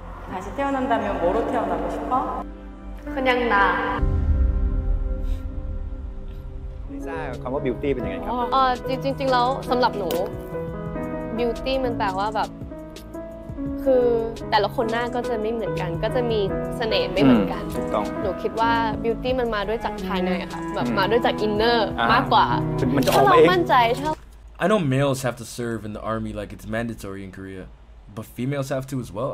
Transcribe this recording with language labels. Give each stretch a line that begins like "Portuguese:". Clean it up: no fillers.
Korean: 다시 태어난다면 뭐로 태어나고 싶어? 그냥 나.
Thai: 리사, คำว่า beauty เป็นยังไงครับ? จริงๆแล้วสำหรับหนู beauty มันแปลว่าแบบคือแต่ละคนหน้าก็จะไม่เหมือนกันก็จะมีเสน่ห์ไม่เหมือนกันหนูคิดว่า beauty มันมาด้วยจากภายในอะค่ะแบบมาด้วยจากอินเนอร์มากกว่ามันจะออกมาเองเข้ามั่นใจเท่า
English: I know males have to serve in the army like it's mandatory in Korea, but females have to as well.